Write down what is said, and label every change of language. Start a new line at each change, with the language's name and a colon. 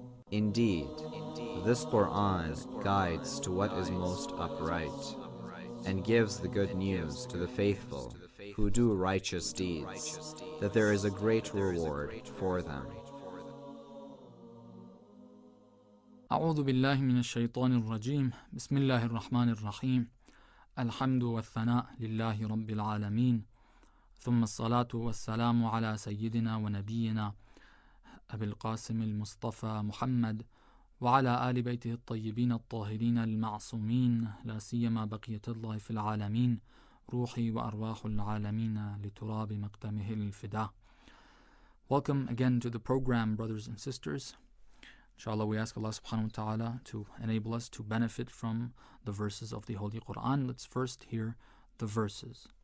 English: Indeed, this Quran guides to what is most upright and gives the good news to the faithful who do righteous deeds, that there is a great reward for them.
Arabic: أعوذ بالله من الشيطان الرجيم بسم الله الرحمن الرحيم الحمد والثناء لله رب العالمين ثم الصلاة والسلام على سيدنا ونبينا أبي القاسم المصطفى محمد وعلى آل بيته الطيبين الطاهرين المعصومين لا سيما بقية الله في العالمين روحي وأرواح العالمين لتراب مقدمه الفداء.
English: Welcome again to the program, brothers and sisters. Inshallah, we ask Allah subhanahu wa ta'ala to enable us to benefit from the verses of the Holy Quran. Let's first hear the verses.